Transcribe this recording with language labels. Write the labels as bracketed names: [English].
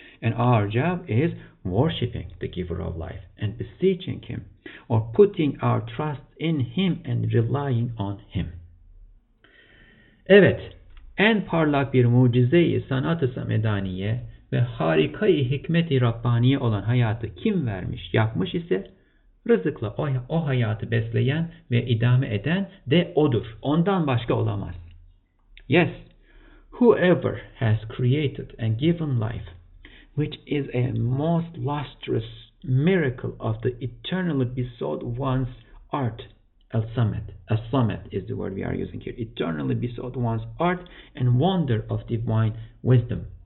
[English] And our job is worshipping the giver of life and beseeching him, or putting our trust in him and relying on him. [Turkish] Evet, en parlak bir mucizeyi sanat-ı samedaniye ve harikayı hikmet-i Rabbaniye olan hayatı kim vermiş, yapmış ise, rızıkla o hayatı besleyen ve idame eden de odur. Ondan başka olamaz. [English] Yes, whoever has created and given life, which is a most lustrous miracle of the eternally besought one's art. Al-Samad. Al-Samad is the word we are using here. Eternally besought one's art and wonder of divine wisdom.